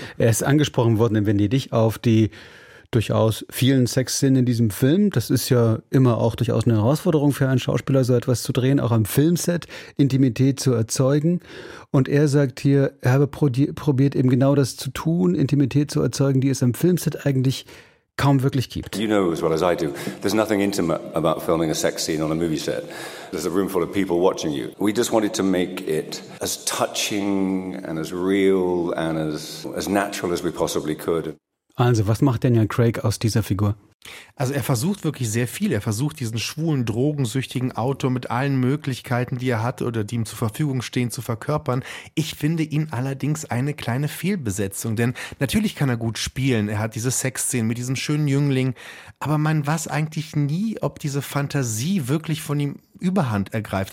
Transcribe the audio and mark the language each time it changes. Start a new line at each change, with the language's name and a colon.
German: Er ist angesprochen worden in Venedig auf die durchaus vielen Sexszenen in diesem Film. Das ist ja immer auch durchaus eine Herausforderung für einen Schauspieler, so etwas zu drehen, auch am Filmset Intimität zu erzeugen. Und er sagt hier, er habe probiert eben genau das zu tun, Intimität zu erzeugen, die es am Filmset eigentlich kaum wirklich gibt.
English: You know as well as I do, there's nothing intimate about filming a sex scene on a movie set. There's a room full of people watching you. We just wanted to make it as touching and as real and as natural as we possibly could.
German: Also, was macht Daniel Craig aus dieser Figur? Also er versucht wirklich sehr viel. Er versucht, diesen schwulen, drogensüchtigen Autor mit allen Möglichkeiten, die er hat oder die ihm zur Verfügung stehen, zu verkörpern. Ich finde ihn allerdings eine kleine Fehlbesetzung, denn natürlich kann er gut spielen. Er hat diese Sexszenen mit diesem schönen Jüngling. Aber man weiß eigentlich nie, ob diese Fantasie wirklich von ihm Überhand ergreift.